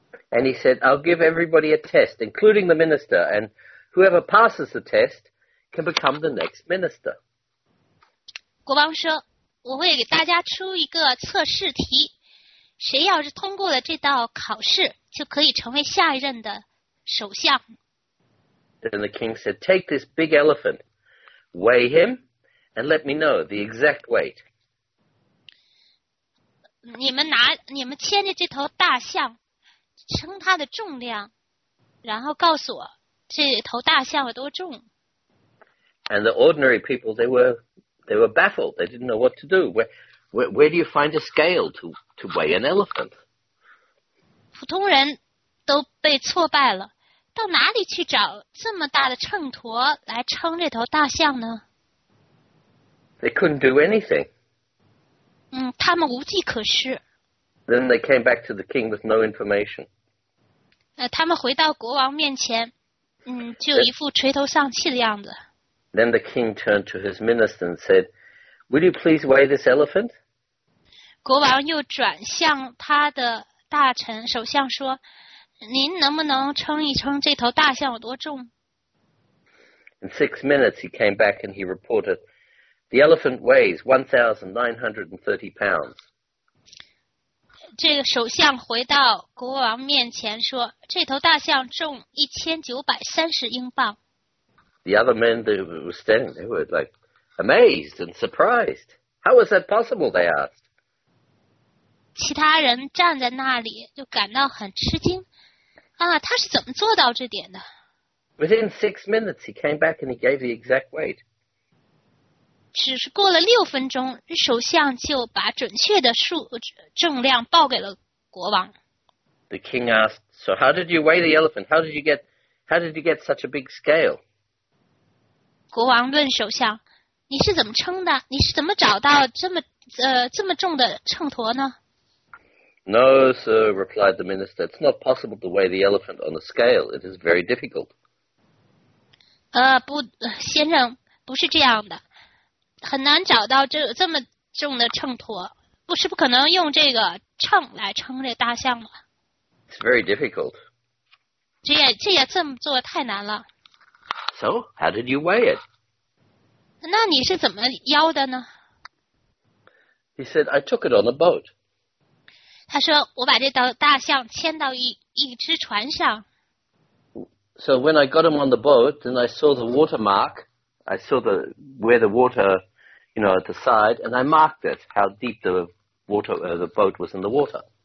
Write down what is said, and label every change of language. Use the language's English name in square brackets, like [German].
[English] And he said, I'll give everybody a test, including the minister, and whoever passes the test can become the next minister. [Chinese] 国王说我会给大家出一个测试题，谁要是通过了这道考试就可以成为下一任的首相。 [English] Then the king said, take this big elephant, weigh him, and let me know the exact weight. [Chinese] 你们牵着这头大象，称它的重量，然后告诉我这头大象有多重。 [English] And the ordinary people, they were baffled. They didn't know what to do. Where do you find a scale to weigh an elephant? [Chinese] 普通人都被挫败了。到哪里去找这么大的秤砣来称这头大象呢？ [English] They couldn't do anything. [Chinese] 他们无计可施。 [English] Then they came back to the king with no information. [Chinese] 他们回到国王面前，就一副垂头丧气的样子。 [English] Then the king turned to his minister and said, "Will you please weigh this elephant?" [Chinese] 国王又转向他的大臣首相说，您能不能称一称这头大象有多重？ [English] In 6 minutes, he came back and he reported, the elephant weighs 1,930 pounds. [Chinese] 这个首相回到国王面前说，这头大象重1930英镑。 [English] The other men that were standing, they were like amazed and surprised. How was that possible, they asked. [Chinese] 其他人站在那里就感到很吃惊。他是怎么做到这点的？ [English] Within 6 minutes, he came back and he gave the exact weight. [Chinese] 只是过了6分钟，首相就把准确的重量报给了国王。 [English] The king asked, "So how did you weigh the elephant? How did you get such a big scale?" [Chinese] 国王问首相，你是怎么称的？你是怎么找到这么重的秤砣呢？ [English] No, sir, replied the minister. It's not possible to weigh the elephant on a scale. It is very difficult. [Chinese] 不，先生，不是这样的。很难找到这么重的秤砣，不是不可能用这个秤来称这大象吗？ [English] It's very difficult. [Chinese] 这也这么做太难了。 [English] So, how did you weigh it? [Chinese] 那你是怎么腰的呢？ [English] He said, I took it on a boat. [Chinese] 他说我把这头大象牵到一只船上。 [English] So when I got him on the boat, then I saw the watermark. I saw the, where the water, you know, at the side, and I marked it, how deep the water, the boat was in the water.